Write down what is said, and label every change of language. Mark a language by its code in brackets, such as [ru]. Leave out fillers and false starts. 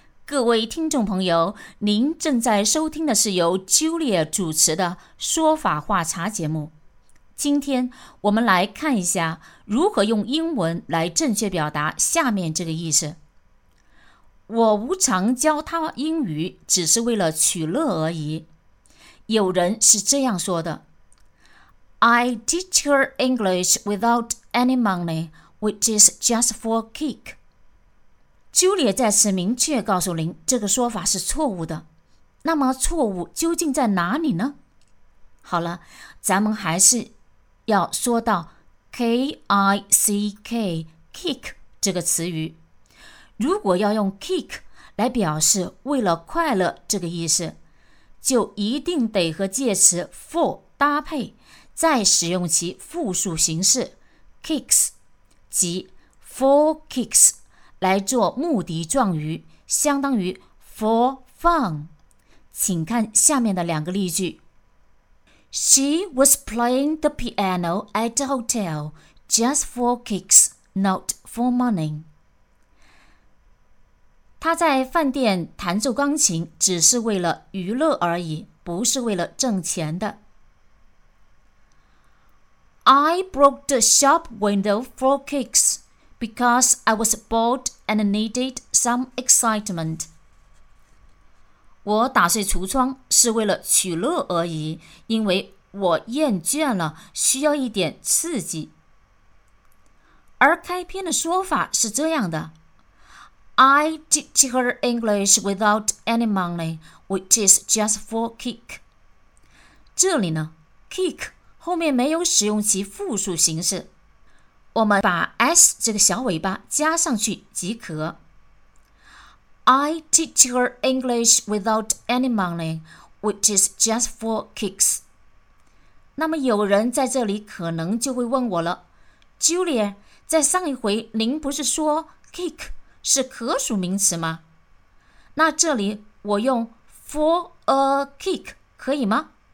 [zh] 各位听众朋友，您正在收听的是由 Julia 主持的《说法话茶》节目。今天我们来看一下如何用英文来正确表达下面这个意思。我无偿教他英语只是为了取乐而已。有人是这样说的， [en] I teach her English without any money, which is just for kick. [zh] Julia 在此明确告诉您，这个说法是错误的。那么错误究竟在哪里呢？好了，咱们还是要说到 K-I-C-K kick 这个词语。如果要用 kick 来表示为了快乐这个意思，就一定得和介词 for 搭配，再使用其复数形式 kicks， 即 for kicks 来做目的状语，相当于 for fun。请看下面的两个例句。 [en] She was playing the piano at the hotel just for kicks, not for money。 [zh] 他在饭店弹奏钢琴只是为了娱乐而已，不是为了挣钱的。 [en] I broke the shop window for kicks because I was bored and needed some excitement. [zh] 我打碎橱窗是为了取乐而已，因为我厌倦了，需要一点刺激。而开篇的说法是这样的， [en] I teach her English without any money, which is just for kick. [zh] 这里呢 ,kick 后面没有使用其复数形式。我们把 s 这个小尾巴加上去即可。 [en] I teach her English without any money, which is just for kicks. [zh] 那么有人在这里可能就会问我了， Julia, 在上一回您不是说 kick是可数名词吗？那这里我用 for a kick 可以吗？